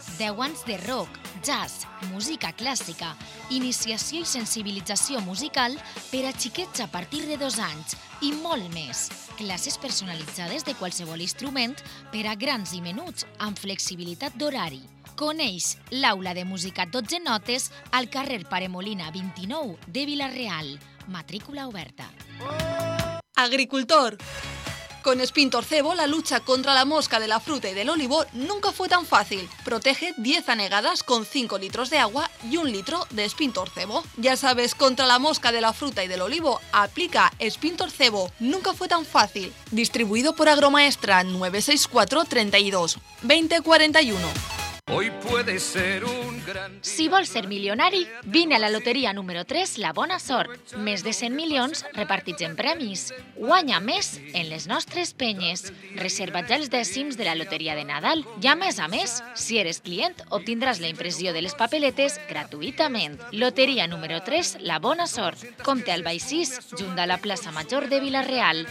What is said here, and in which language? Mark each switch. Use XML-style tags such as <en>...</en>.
<ca>10 anys de rock, jazz, música clàssica, iniciació i sensibilització musical per a xiquets a partir de 2 anys i molt més. Classes personalitzades de qualsevol instrument per a grans i menuts amb flexibilitat d'horari. Coneix l'aula de música 12 notes al carrer Pare Molina 29 de Vila-real. Matrícula oberta.</ca> <es>Agricultor. Con Spintor Cebo, la lucha contra la mosca de la fruta y del olivo nunca fue tan fácil. Protege 10 anegadas con 5 litros de agua y 1 litro de Spintor Cebo. Ya sabes, contra la mosca de la fruta y del olivo, aplica Spintor Cebo. Nunca fue tan fácil. Distribuido por Agromaestra, 964-32-2041. Hoy puede ser un gran día.</es> <ca>Si vols ser milionari, vine a la loteria número 3, la Bona Sort. Més de 100 milions repartits en premis. Guanya més en les nostres penyes. Reserva ja els dècims de la loteria de Nadal. I a més, si eres client, obtindràs la impressió de les papeletes gratuïtament. Loteria número 3, la Bona Sort. Compte al Baix 6, junt a la plaça Major de Vila-real.</ca>